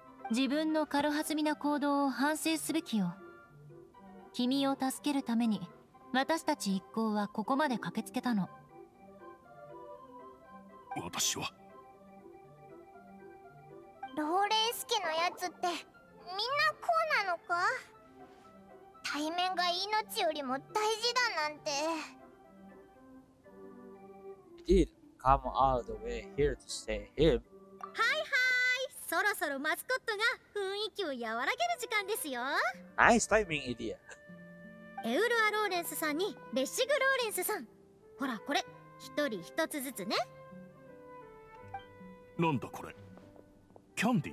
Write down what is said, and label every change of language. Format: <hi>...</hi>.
<ja>自分の軽はずみな行動を反省すべきよ。君を助けるために私たち一行はここまで駆けつけたの。私はローレンス家のやつってみんなこうなの？か？対面が命よりも大事だなんて。</ja> <en>I did come all the way here to see him.</en> <ja>はいはい、そろそろマスコットが雰囲気を和らげる時間ですよ。</ja> <en>Nice timing, idiot.</en> <ja>エウルア・ローレンスさんにレシグ・ローレンスさん。ほらこれ、一人一つずつね。なんだこれ、キャンディ？</ja>